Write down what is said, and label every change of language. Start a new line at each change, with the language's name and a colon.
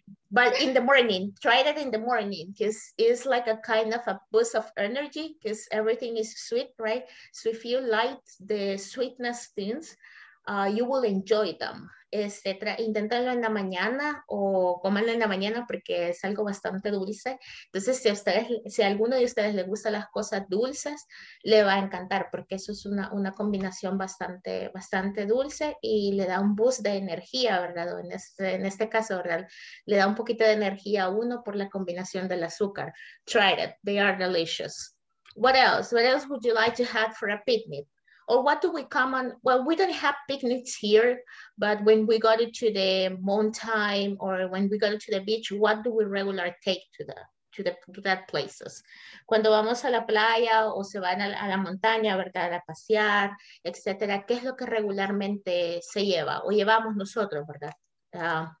English: But in the morning, try it in the morning because it's like a kind of a boost of energy because everything is sweet, right? So if you like the sweetness things, you will enjoy them.
Spanish: Inténtenlo en la mañana o cómanlo en la mañana porque es algo bastante dulce. Entonces, si a alguno de ustedes le gustan las cosas dulces, le va a encantar porque eso es una combinación bastante, bastante dulce y le da un boost de energía, ¿verdad? En este caso, ¿verdad? Le da un poquito de energía a uno por la combinación del azúcar.
English: Try it. They are delicious. What else? What else would you like to have for a picnic? Or what do we come on? Well, we don't have picnics here, but when we go to the mountain or when we go to the beach, what do we regularly take to that places?
Spanish: Cuando vamos a la playa o se van a la montaña, ¿verdad? A pasear, etcétera. ¿Qué es lo que regularmente se lleva o llevamos nosotros, ¿verdad?